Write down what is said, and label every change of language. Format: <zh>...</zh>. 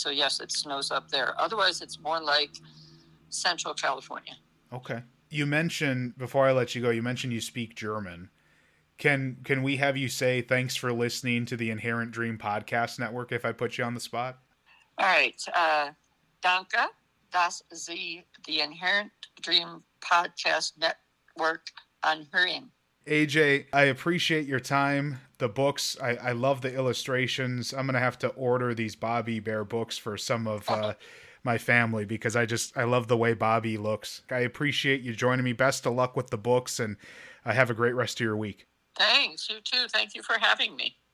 <en>So yes, it snows up there. Otherwise, it's more like Central California. Okay. You mentioned, before I let you go, you mentioned you speak German. Can we have you say thanks for listening to the Inherent Dream Podcast Network if I put you on the spot? All right.</en> <de>Danke, dass Sie die Inherent Dream Podcast Network anhören.</de> <en>AJ, I appreciate your time. The books, I love the illustrations. I'm going to have to order these Bobby Bear books for some of... my family, because I love the way Bobby looks. I appreciate you joining me. Best of luck with the books, and have a great rest of your week. Thanks. You too. Thank you for having me.</en>